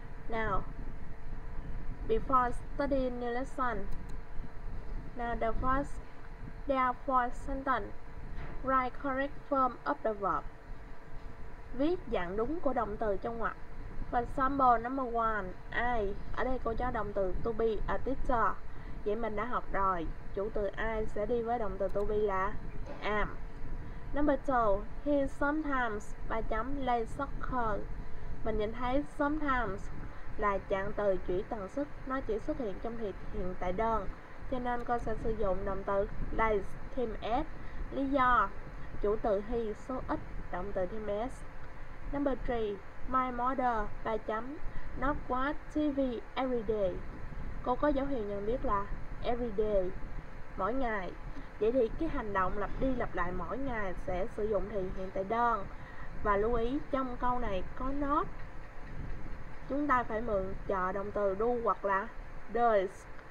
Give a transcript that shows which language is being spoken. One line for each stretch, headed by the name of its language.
English: Now, before studying new lesson, now the first, there are four sentences. Write correct form of the verb.
Vietnamese: Viết dạng đúng của động từ trong ngoặc.
English: For example, number one, I.
Vietnamese: Ở đây cô cho động từ
English: to be a teacher.
Vietnamese: Vậy mình đã học rồi. Chủ từ I sẽ đi với động từ to be là am.
English: Number two, he sometimes
Vietnamese: ba chấm
English: play soccer.
Vietnamese: Mình nhìn thấy sometimes là trạng từ chỉ tần suất, nó chỉ xuất hiện trong hiện tại đơn, cho nên con sẽ sử dụng động từ plays thêm s. Lý do, chủ từ he số ít, động từ thêm s.
English: Number 3, my mother
Vietnamese: ba chấm
English: not watch TV every day.
Vietnamese: Cô có dấu hiệu nhận biết là every day, mỗi ngày. Vậy thì cái hành động lặp đi lặp lại mỗi ngày sẽ sử dụng thì hiện tại đơn. Và lưu ý trong câu này có not, chúng ta phải mượn trợ động từ do hoặc là does.